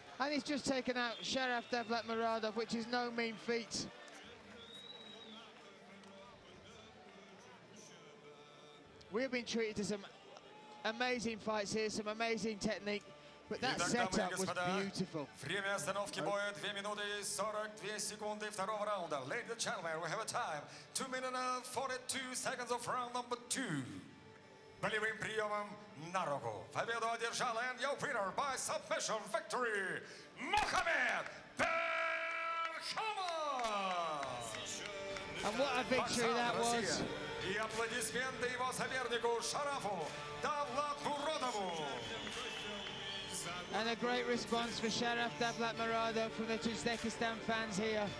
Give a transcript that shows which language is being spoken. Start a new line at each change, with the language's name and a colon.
English: And he's just taken out Sharaf Davlatmurodov, which is no mean feat. We've been treated to some amazing fights here, some amazing technique, but that setup was beautiful.
Russian: Время остановки боя 2 минуты 42 секунды второго раунда.
English: Ladies and gentlemen, we have a time. 2 minutes and 42 seconds of round number 2.
Russian: Болевым приемом на руку. Победу одержал,
English: and your winner by submission victory, Mukhamed Berkhamov! And what a victory that was.
Russian: И аплодисменты его сопернику Шарафу Давлатмуродову.
English: And a great response for Sharaf Davlatmurodov from the Tajikistan fans here.